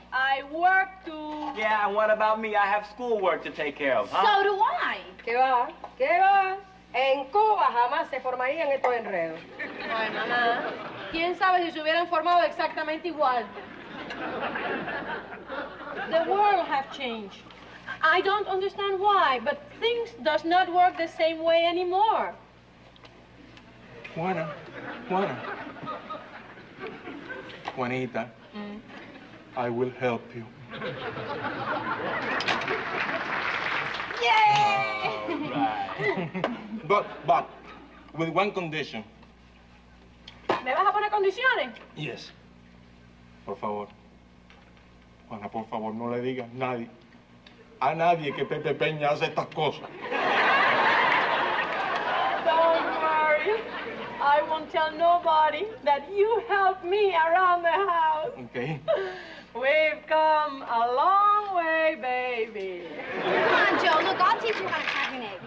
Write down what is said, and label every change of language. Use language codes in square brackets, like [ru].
[en] I work too. Yeah, and what about me? I have schoolwork to take care of, huh? So do I. [es] ¿Qué va? ¿Qué va? En Cuba jamás se formarían estos enredos. Ay, mamá. ¿Quién sabe si se hubieran formado exactamente igual? [en] The world have changed. I don't understand why, but things does not work the same way anymore. Juana, Juana. Juanita, I will help you. Yay! All right. But, with one condition. [es] ¿Me vas a poner condiciones? [en] Yes. [es] Por favor. Juana, por favor, no le digas a nadie. A nadie que Pepe Peña hace estas cosas. [en] Don't worry. I won't tell nobody that you helped me around the house. Okay. We've come a long way, baby. Come on, Joe. Look, I'll teach you how to crack an egg.